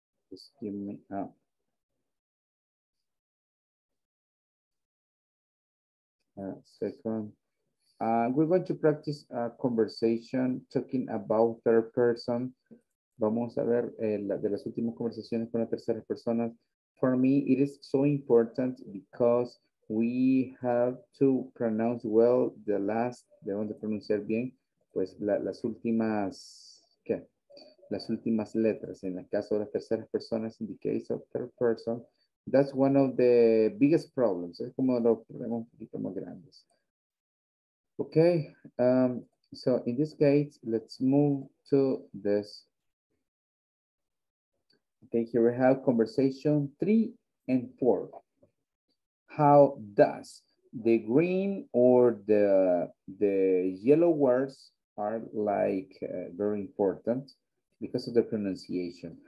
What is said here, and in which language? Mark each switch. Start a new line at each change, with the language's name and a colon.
English: Just give me a... second. We're going to practice a conversation talking about third person.
Spanish: Vamos a ver de las últimas conversaciones con la tercera persona.
English: For me, it is so important because we have to pronounce well the last,
Spanish: debemos de pronunciar bien, pues las últimas, ¿qué? Las últimas letras. En el caso de las terceras personas,
English: in the case of third person, that's one of the biggest problems.
Spanish: Es como los problemas un poquito más grandes.
English: Okay, so in this case, let's move to this. Okay, here we have conversation 3 and 4. How does the green or the yellow words are like very important because of the pronunciation?